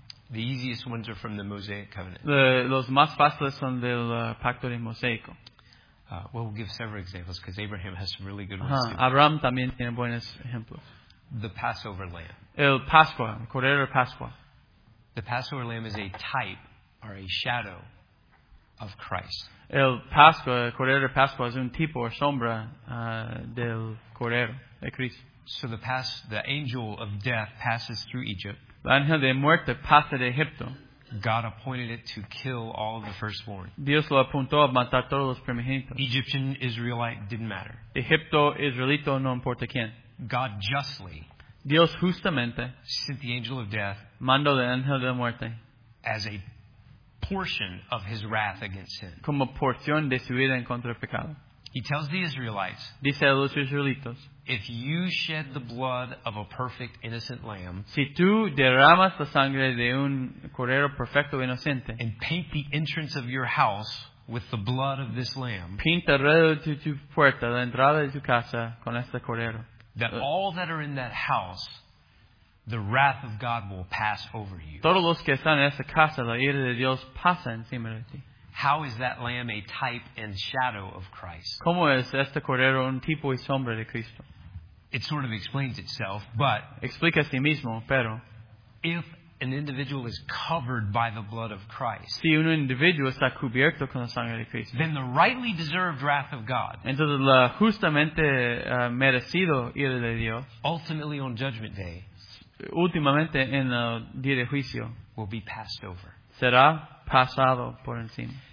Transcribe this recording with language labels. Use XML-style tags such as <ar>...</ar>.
<en>The easiest ones are from the Mosaic Covenant.</en> <es>Los más fáciles son del pacto de Mosaico.</es> <en>Well, we'll give several examples because Abraham has some really good ones.</en> <es>Abraham también tiene buenos ejemplos.</es> <en>The Passover lamb.</en> <es>El Pascua, el Cordero de Pascua.</es> <en>The Passover lamb is a type or a shadow of Christ.</en> <es>El Pascua, el Cordero de Pascua, es un tipo o sombra del Cordero de Cristo.</es> <en>So the angel of death passes through Egypt.</en> <es>El ángel de muerte pasa de Egipto.</es> <en>God appointed it to kill all of the firstborn.</en> <es>Dios lo apuntó a matar todos los primogénitos.</es> <en>Egyptian Israelite didn't matter.</en> <es>Egipto Israelito no importa quién.</es> <en>God justly.</en> <es>Dios justamente</es> <en>sent the angel of death.</en> <es>Mandó el ángel de muerte.</es> <en>As a portion of his wrath against sin.</en> <es>Como porción de su ira en contra del pecado.</es> <en>He tells the Israelites.</en> <es>Dice a los israelitos.</es> <en>If you shed the blood of a perfect innocent lamb,</en> <es>si tú derramas la sangre de un cordero perfecto e inocente,</es> <en>and paint the entrance of your house with the blood of this lamb,</en> <es>pinta alrededor de tu puerta la entrada de tu casa con este cordero,</es> <en>that all that are in that house, the wrath of God will pass over you.</en> <es>Todos los que están en esa casa, la ira de Dios pasa encima de ti.</es> <en>How is that lamb a type and shadow of Christ?</en> <es>¿Cómo es este cordero un tipo y sombra de Cristo?</es> <en>It sort of explains itself, but</en> <es>explica a sí mismo, pero</es> <en>if an individual is covered by the blood of Christ,</en> <es>si un individuo está cubierto con la sangre de Cristo,</es> <en>then the rightly deserved wrath of God,</en> <es>entonces la justamente merecido ira de Dios,</es> <en>ultimately on judgment day,</en> <es>últimamente en el día de juicio,</es> <en>will be passed over.</en> <es>Será pasado por encima.</es>